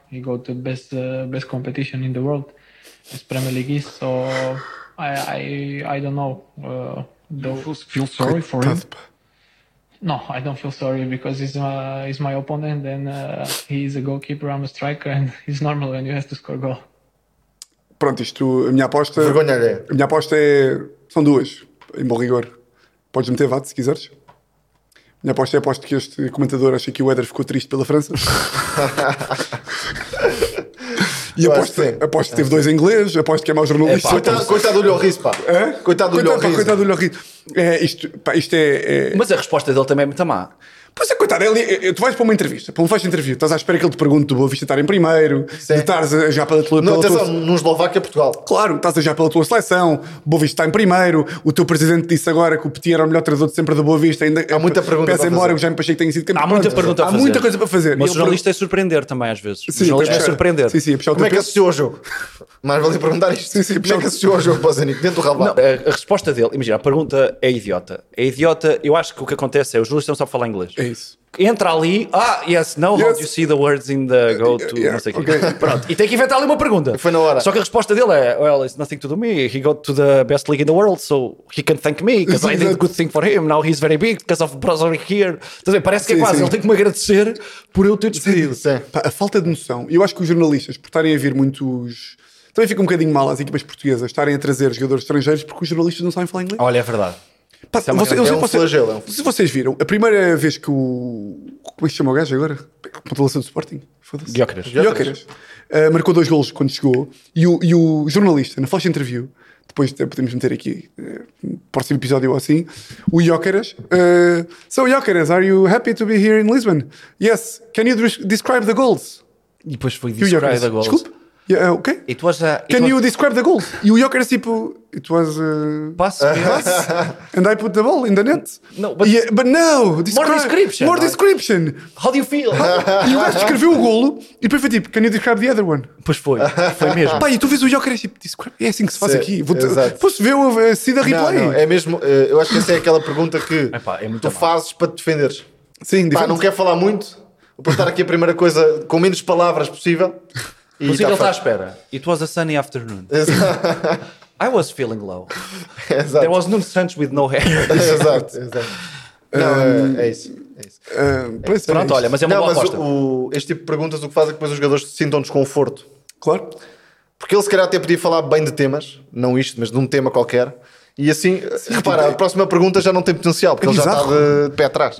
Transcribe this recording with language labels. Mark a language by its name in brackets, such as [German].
[English] He got the best competition in the world. It's Premier League, so I don't know. Do you feel sorry for him? No, I don't feel sorry because he's my opponent and he's a goalkeeper, I'm a striker and it's normal when you have to score goal. [Portuguese] Pronto, isto, a minha aposta... Vergonha alheia. A minha aposta é... São duas, em bom rigor. Podes meter VAT, se quiseres. A minha aposta é aposto que este comentador acha que o Éder ficou triste pela França. E aposto que teve dois em inglês, aposto que é mau jornalista. Coitado do Lloris, pá. É? Coitado do Lloris. Coitado do Lloris. É, isto é, é... Mas a resposta dele também é muito má. Pois é, coitado, ele, tu vais para uma entrevista, para um fecho de entrevista, estás à espera que ele te pergunte do Boa Vista estar em primeiro, sim, de estares já pela tua... Não, estás num Eslováquia, Portugal. Claro, estás já pela tua seleção, Boa Vista está em primeiro, o teu presidente disse agora que o Petit era o melhor treinador de sempre da Boa Vista, ainda... Há muita pergunta para fazer. Peça embora, eu já me achei que tenha sido campeão. Há muita pronto, pergunta há a fazer. Há muita coisa para fazer. Mas o jornalista é surpreender também, às vezes. Sim, o jornalista é surpreender. Sim, sim, é puxar o... Como é que assistiu ao jogo? Mais valia perguntar isto. Sim, sim, como é que assistiu ao jogo, Pozanico, dentro do rabo? A resposta dele, imagina, a pergunta é idiota. É idiota, eu acho que o que acontece é, os jornalistas não sabem falar inglês. Isso. Entra ali, ah, [English] yes, now yes. How do you see the words in the go to, yeah, [Portuguese] não sei o quê. [English] Okay. [Portuguese] Pronto, e tem que inventar ali uma pergunta. Foi na hora. Só que a resposta dele é, [English] well, it's nothing to do me, he got to the best league in the world, so he can thank me, because I did a good thing for him, now he's very big, because of brother here. [Portuguese] Então, parece que sim, é quase, sim. Ele tem que me agradecer por eu ter despedido. Pá, a falta de noção, eu acho que os jornalistas, por estarem a vir muitos... Também fica um bocadinho mal as equipas portuguesas estarem a trazer jogadores estrangeiros porque os jornalistas não sabem falar inglês. Olha, é verdade. Pá, é você, é um flagelo. Se vocês viram, a primeira vez que o... Como é que se chama o gajo agora? Pontalação do Sporting? Foda-se. Gyökeres. Gyökeres. Marcou dois golos quando chegou e o jornalista, na flash interview, depois podemos meter aqui no próximo episódio ou assim, o Gyökeres. [English] So, Gyökeres, are you happy to be here in Lisbon? Yes. Can you describe the goals? [Portuguese] E depois foi [English] describe the goals. Desculpe. Yeah, okay. It was a... Can you describe the goal? [Portuguese] E o Gyökeres tipo... [English] It was a... Pass. And I put the ball in the net. No, but... Yeah, but no! More description! More description! How do you feel? [Portuguese] E o gajo escreveu o golo e depois foi tipo... [English] Can you describe the other one? [Portuguese] Pois foi. Foi mesmo. Pá, e tu vês o Gyökeres tipo... Describe... É assim que se faz, sim, aqui. Posso ver o Cida replay? Não, é mesmo... Eu acho que essa é aquela pergunta que... Epá, é muito tu mal. Fazes para te defenderes. Sim, pá, não quer falar muito. Vou postar aqui a primeira coisa com menos palavras possível. Mas ele está à espera. [English] It was a sunny afternoon. [Portuguese] Exato. [English] I was feeling low. [Portuguese] Exato. [English] There was Nuno Santos with no hair. [Portuguese] Exato. Não, é isso. Pronto, olha, mas é uma boa aposta. Este tipo de perguntas o que faz é que depois os jogadores se sintam desconforto. Claro. Porque ele se calhar até podia falar bem de temas, não isto, mas de um tema qualquer. E assim, sim, repara, tipo, a próxima pergunta já não tem potencial, porque ele já está de pé atrás.